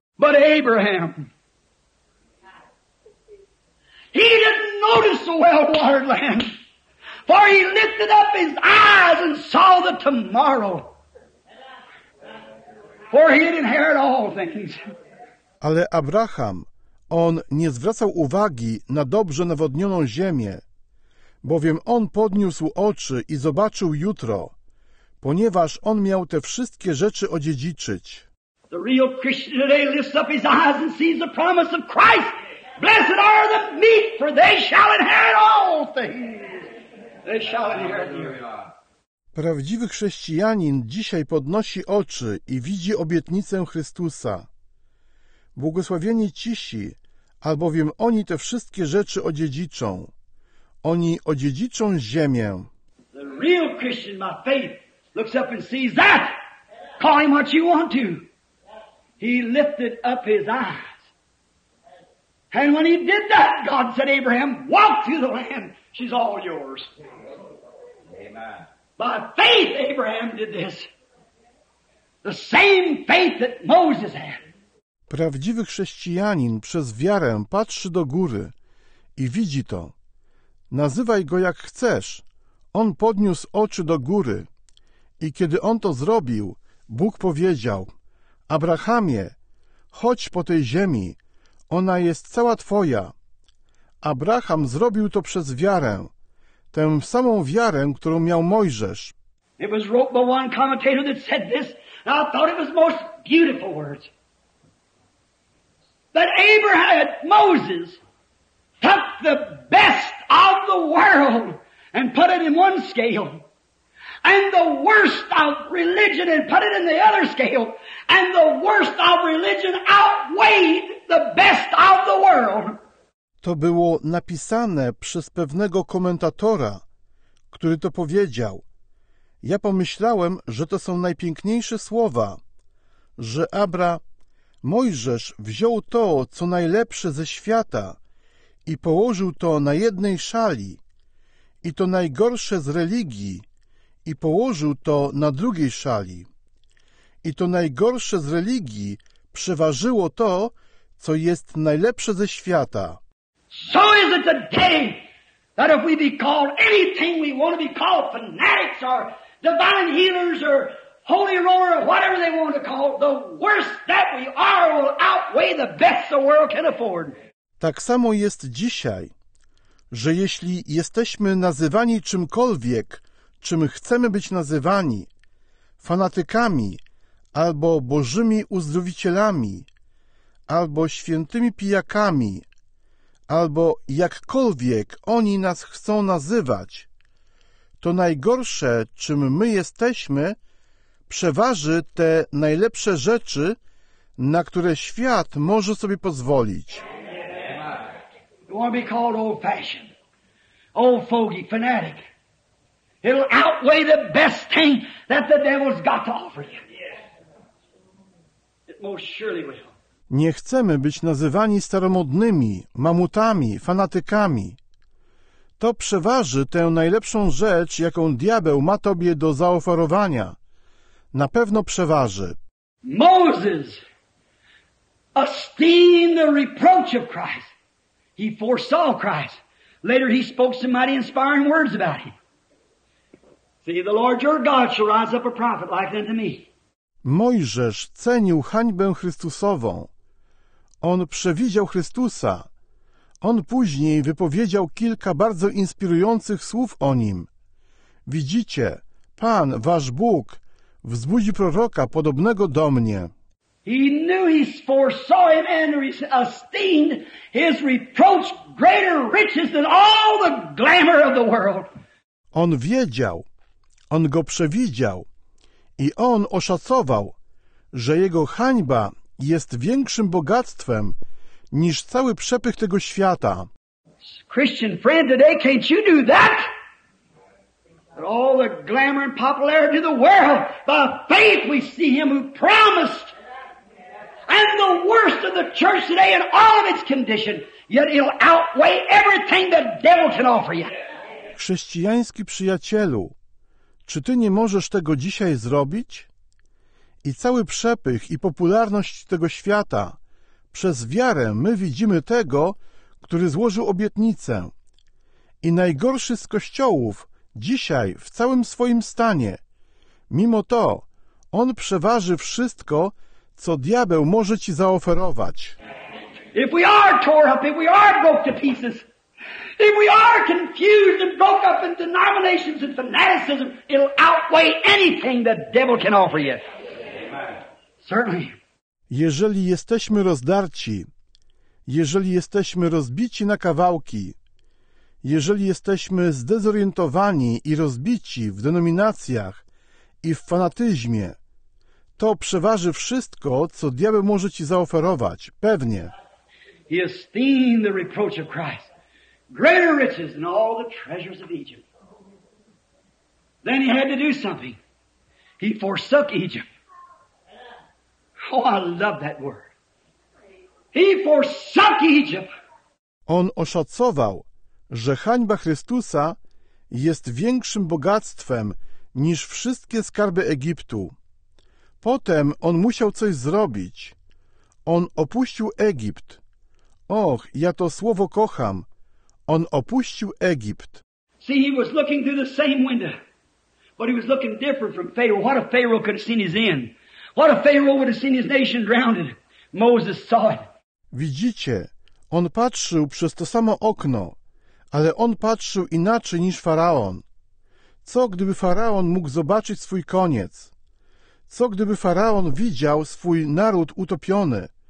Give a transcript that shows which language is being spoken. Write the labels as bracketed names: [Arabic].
[English] But Abraham, he didn't notice the well-watered land, for he lifted up his eyes and saw the tomorrow. For he inherited all things. [Polish] Ale Abraham, on nie zwracał uwagi na dobrze nawodnioną ziemię, bowiem on podniósł oczy i zobaczył jutro, ponieważ on miał te wszystkie rzeczy odziedziczyć. [English] The real Christian today lifts up his eyes and sees the promise of Christ. Blessed are the meek, for they shall inherit all things. They shall inherit the earth. [Polish] Prawdziwy chrześcijanin dzisiaj podnosi oczy i widzi obietnicę Chrystusa. Błogosławieni cisi, albowiem oni te wszystkie rzeczy odziedziczą. Oni odziedziczą ziemię. [English] The real Christian by faith looks up and sees that. Call him what you want to. He lifted up his eyes. And when he did that, God said, Abraham, walk through the land. She's all yours. Amen. By faith Abraham did this. The same faith that Moses had. [Polish] Prawdziwy chrześcijanin przez wiarę patrzy do góry i widzi to. Nazywaj go jak chcesz. On podniósł oczy do góry. I kiedy on to zrobił, Bóg powiedział: Abrahamie, chodź po tej ziemi. Ona jest cała twoja. Abraham zrobił to przez wiarę. Tę samą wiarę, którą miał Mojżesz. [English] It was wrote by one commentator that said this, and I thought it was the most beautiful words. That Abraham, Moses, took the best of the world and put it in one scale, and the worst of religion and put it in the other scale, and the worst of religion outweighed the best of the world. [Polish] To było napisane przez pewnego komentatora, który to powiedział. Ja pomyślałem, że to są najpiękniejsze słowa, że Mojżesz wziął to, co najlepsze ze świata i położył to na jednej szali i to najgorsze z religii i położył to na drugiej szali. I to najgorsze z religii przeważyło to, co jest najlepsze ze świata. [English] So is it today that if we be called anything we want to be called, fanatics or divine healers or holy roller or whatever they want to call, the worst that we are will outweigh the best the world can afford. [Polish] Tak samo jest dzisiaj, że jeśli jesteśmy nazywani czymkolwiek, czym chcemy być nazywani, fanatykami albo bożymi uzdrowicielami albo świętymi pijakami, albo jakkolwiek oni nas chcą nazywać, to najgorsze, czym my jesteśmy, przeważy te najlepsze rzeczy, na które świat może sobie pozwolić. [English] You want to be called old-fashioned, old fogey, fanatic. It'll outweigh the best thing that the devil's got to offer you. It most surely will. [Polish] Nie chcemy być nazywani staromodnymi, mamutami, fanatykami. To przeważy tę najlepszą rzecz, jaką diabeł ma tobie do zaoferowania. Na pewno przeważy. [English] Moses esteemed the reproach of Christ. He foresaw Christ. Later he spoke some mighty inspiring words about him. See, the Lord your God shall rise up a prophet like unto me. [Polish] Mojżesz cenił hańbę Chrystusową. On przewidział Chrystusa. On później wypowiedział kilka bardzo inspirujących słów o nim. Widzicie, Pan, wasz Bóg, wzbudzi proroka podobnego do mnie. [English] He knew he foresaw him and esteemed his reproach greater riches than all the glamour of the world. [Polish] On wiedział, on go przewidział i on oszacował, że jego hańba jest większym bogactwem niż cały przepych tego świata. [English] Christian friend, today can't you do that? All the glamour and popularity of the world, by faith we see him who promised. And the worst of the church today in all of its condition, yet it'll outweigh everything the devil can offer you. [Polish] Chrześcijański przyjacielu, czy ty nie możesz tego dzisiaj zrobić? I cały przepych i popularność tego świata. Przez wiarę my widzimy tego, który złożył obietnicę. I najgorszy z kościołów dzisiaj w całym swoim stanie. Mimo to, on przeważy wszystko, co diabeł może ci zaoferować. [English] If we are tore up, if we are broke to pieces, if we are confused and broke up in denominations and fanaticism, it'll outweigh anything the devil can offer you. Certainly. [Polish] Jeżeli jesteśmy rozdarci, jeżeli jesteśmy rozbici na kawałki, jeżeli jesteśmy zdezorientowani i rozbici w denominacjach i w fanatyzmie, to przeważy wszystko, co diabeł może ci zaoferować, pewnie. [English] He esteemed the reproach of Christ greater riches than all the treasures of Egypt. Then he had to do something. He forsook Egypt. Oh, I love that word. He forsook Egypt. [Polish] On oszacował, że hańba Chrystusa jest większym bogactwem niż wszystkie skarby Egiptu. Potem on musiał coś zrobić. On opuścił Egipt. Och, ja to słowo kocham. On opuścił Egipt. [English] See, he was looking through the same window, but he was looking different from Pharaoh. What a Pharaoh could have seen his end. What a Pharaoh would have seen his nation drowned. Moses saw it. [Polish] Widzicie, on patrzył przez to samo okno, ale on patrzył inaczej niż Faraon. Co gdyby Faraon mógł zobaczyć swój koniec? Co gdyby Faraon widział swój naród utopiony?